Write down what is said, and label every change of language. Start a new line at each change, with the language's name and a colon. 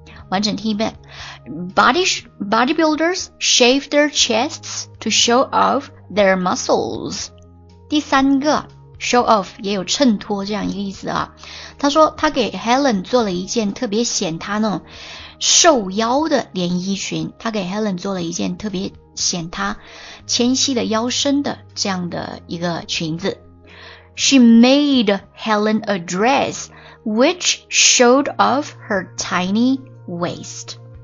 Chinese: 完整听一遍，
English: bodybuilders shave their chests to show off their muscles。
Chinese: 第三个 show off 也有衬托这样一个意思啊。他说他给 Helen 做了一件特别显他那种瘦腰的连衣裙，他给 Helen 做了一件特别显他纤细的腰身的这样的一个裙子。
English: She made Helen a dress which showed off her tinywaist。